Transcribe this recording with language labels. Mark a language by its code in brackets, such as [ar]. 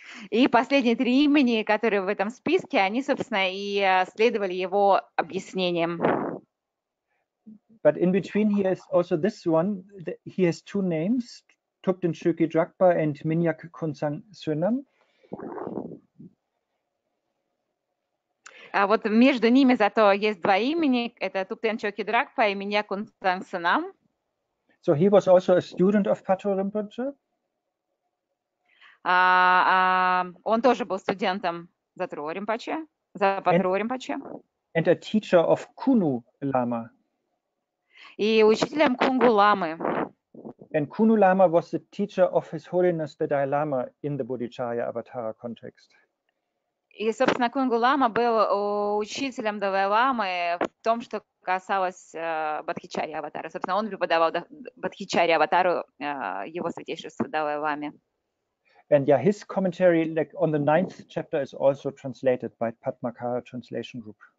[ru] И последние три имени, которые в этом списке, они, собственно, и следовали его объяснениям. [en] But in between he has also this one, he has two names, Thubten Shökyi Drakpa and Minyak Khonsang Sönam. [ru] А вот между ними зато есть два имени, это Thubten Shökyi Drakpa и Minyak Khonsang Sönam. [en] So he was also a student of Pato Rinpoche. [ru] Он тоже был студентом Затру Ринпоче, Запатру Ринпоче. [en] And a teacher of Kunu Lama. [ru] И учителем Кунгу Ламы. [en] And Kunu Lama was the teacher of His Holiness the Dalai Lama in the Bodhicharya Avatara context. [ru] И, собственно, Кунгу Лама был учителем Далай Ламы в том, что касалось Бодхичари Аватара. Собственно, он преподавал Бодхичари Аватару, его святейшеству Далай Ламе. [en] And yeah, his commentary like on the ninth chapter is also translated by Padmakara Translation Group.